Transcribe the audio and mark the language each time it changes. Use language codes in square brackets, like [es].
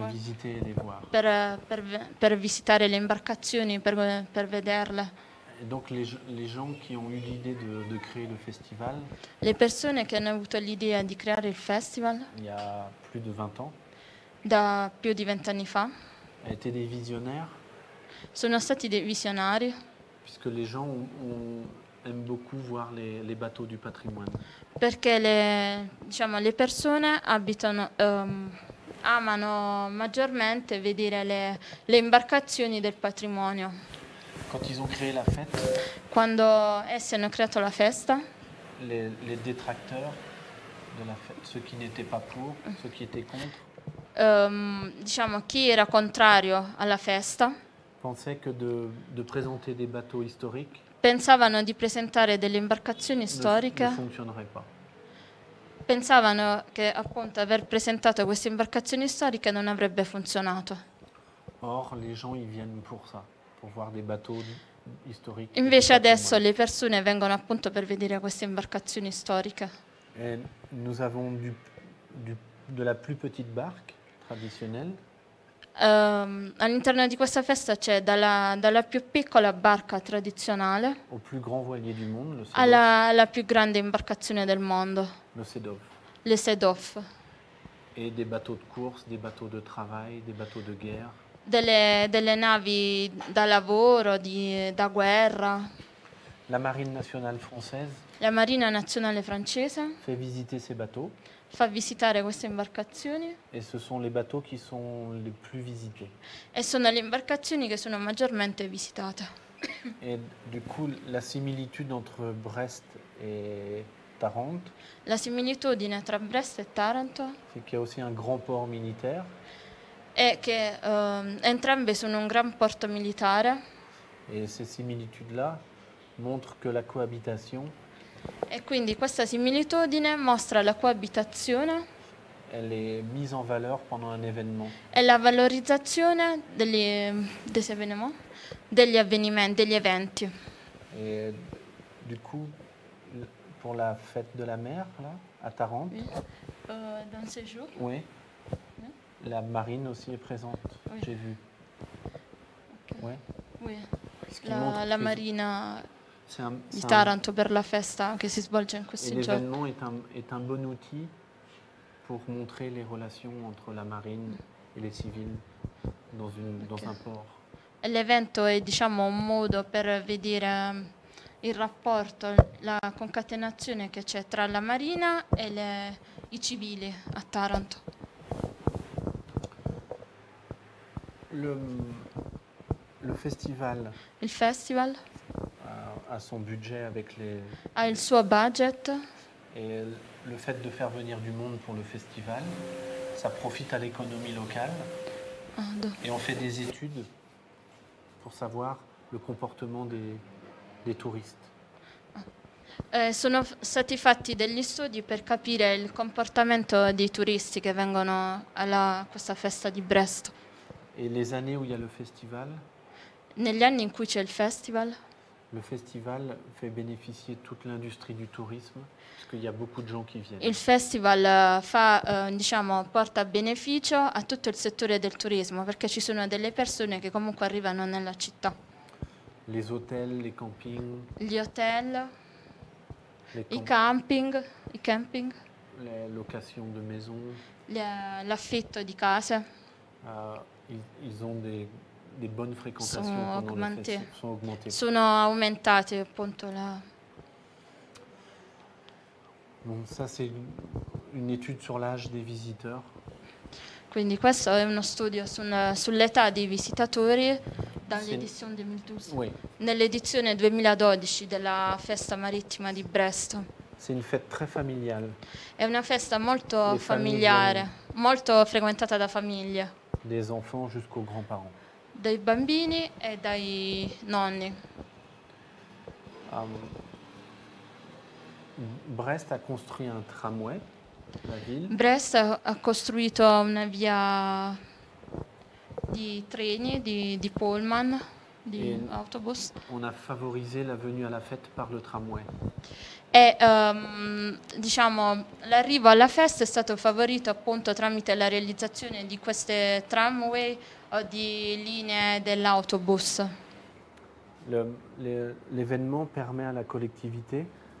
[it] Per visitare le imbarcazioni, per vederle. [fr] Et donc les gens qui ont eu l'idée de créer le festival. [it] Le persone che hanno avuto l'idea di creare il festival. [fr] Il y a plus de 20 ans. [it] Da più di 20 anni fa. [fr] Étaient des visionnaires. [it] Sono stati dei visionari. [fr] Puisque les gens aiment beaucoup voir les bateaux du patrimoine. [it] Perché le persone abitano amano maggiormente vedere le imbarcazioni del patrimonio. [fr] Quand ils ont créé la fête, [it] quando essi hanno creato la festa, [fr] les détracteurs de la fête, ceux qui n'étaient pas pour, ceux qui étaient contre. [it] Diciamo chi era contrario alla festa. [fr] Pensaient que de présenter des bateaux historiques. [it] Pensavano di presentare delle imbarcazioni storiche. [fr] Non funzionerait pas. [it] Pensavano che appunto aver presentato queste imbarcazioni storiche non avrebbe funzionato. [fr] Or, les gens y viennent pour ça, pour voir des bateaux historiques. [it] Invece adesso le persone vengono appunto per vedere queste imbarcazioni storiche. [fr] Et nous avons de la plus petite barque traditionnelle. [it] All'interno di questa festa c'è dalla più piccola barca tradizionale [fr] au plus grand voilier du monde, le Sedov. [it] Alla più grande imbarcazione del mondo, [fr] le Sedov. Le Sedov. E des bateaux de course, des bateaux de travail, des bateaux de guerre. [it] Delle navi da lavoro, da guerra. [fr] La Marine nationale française. [it] La Marina nazionale francese. [fr] Fait visiter ces bateaux. [it] Fa visitare queste imbarcazioni. [fr] Et ce sont les bateaux qui sont les plus visités. [it] E sono le imbarcazioni che sono maggiormente visitate. [fr] Et du coup, la similitude entre Brest et Tarente. [it] La similitudine tra Brest e Taranto. [fr] C'est qu'il y a aussi un grand port militaire. [it] E che entrambe sono un gran porto militare. [fr] Et ces similitudes-là montrent que la cohabitation. [it] E quindi questa similitudine mostra la coabitazione. [fr] Elle est mise en valeur pendant un événement. [it] E la valorizzazione degli avvenimenti, degli eventi. [fr] E du coup, pour la fête de la mer, là, à Tarente. Oui. Dans ces jours. Oui. La marine aussi est présente, oui. J'ai vu. Okay. Oui. Oui. La marina. [it] Di Taranto per la festa che si svolge in questi giorni. [fr] L'événement est un bon outil pour montrer les relations entre la marine et les civils dans un port. [it] L'evento è diciamo un modo per vedere il rapporto, la concatenazione che c'è tra la marina e i civili a Taranto. [fr] Le festival. [it] Il festival. [fr] À son budget avec les. [it] A il suo budget. [fr] Et le fait de faire venir du monde pour le festival, ça profite à l'économie locale. Et on fait des études pour savoir le comportement des touristes. [it] Sono stati fatti degli studi per capire il comportamento dei turisti che vengono alla questa festa di Brest. [fr] Et les années où il y a le festival. [it] Negli anni in cui c'è il festival. [fr] Le festival fait bénéficier toute l'industrie du tourisme parce qu'il y a beaucoup de gens qui viennent. [it] Il festival fa diciamo porta beneficio a tutto il settore del turismo perché ci sono delle persone che comunque arrivano nella città. [fr] Les hôtels, les campings. [it] Gli hotel. I camping. [fr] La location de maison. [it] L'affitto di case. [fr] Ils ont des bonnes fréquentations sont augmentées. [it] Sono aumentate appunto là. [fr] Bon, ça c'est une étude sur l'âge des visiteurs. [it] Quindi questo è uno studio sull'età dei visitatori dall'edizione 2012. [fr] Oui. [it] Nell'edizione 2012 della festa marittima di Brest. [fr] C'est une fête très familiale. [it] È una festa molto familiare, molto frequentata da famiglie. [fr] Des enfants jusqu'aux grands-parents. [it] Dai bambini e dai nonni. Brest ha costruito un tramway, [fr] la ville. [it] Brest ha costruito una via di treni, di pullman, di autobus. [fr] On a favorisé la venue à la fête par le tramway. [it] E diciamo l'arrivo alla festa è stato favorito appunto tramite la realizzazione di queste tramway o di linee dell'autobus. L'evento permette alla collettività.